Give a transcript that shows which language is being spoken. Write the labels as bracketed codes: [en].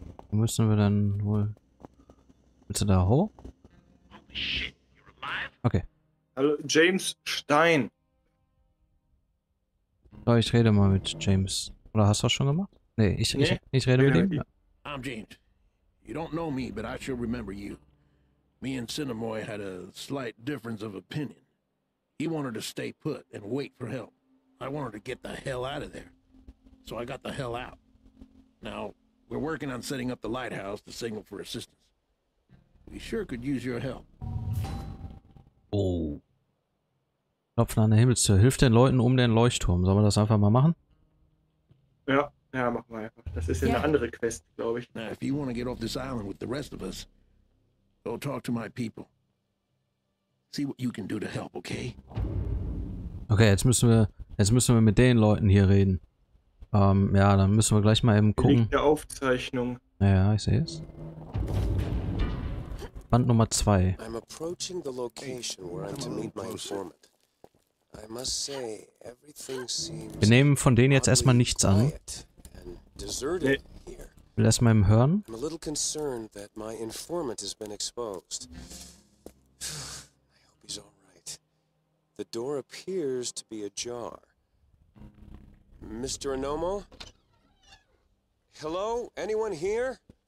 [de] Wo müssen wir denn wohl... Willst du da hoch? Okay. Hallo, James Stein. So, ich rede mal mit James. Oder hast du das schon gemacht? Nee, ich rede mit ihm. [en] I'm James. You don't know me, but I sure remember you. Me and Sinemoy had a slight difference of opinion. He wanted to stay put and wait for help. I wanted to get the hell out of there. So I got the hell out. Now, we're working on setting up the lighthouse to signal for assistance. We sure could use your help. Oh. [de] Klopfen an der Himmelstür. Hilft den Leuten um den Leuchtturm. Sollen wir das einfach mal machen? Ja, ja, machen wir einfach. Das ist ja eine andere Quest, glaube ich. [en] Now, if you want to get off this island with the rest of us, go talk to my people. See what you can do to help, okay? [de] Okay, jetzt müssen wir mit den Leuten hier reden. Ja, dann müssen wir gleich mal eben gucken. Liegt eine Aufzeichnung. Ja, ich sehe es. Band Nummer 2. [en] I'm approaching the location where I'm to meet my informant. I must say, everything seems. [de] Wir nehmen von denen jetzt erstmal nichts an. Nee. Will erstmal im Hören. [en] I'm a little concerned that my informant has been exposed. I hope he's all right. The door appears to be ajar. Mr. Anomo? Hello? Anyone here?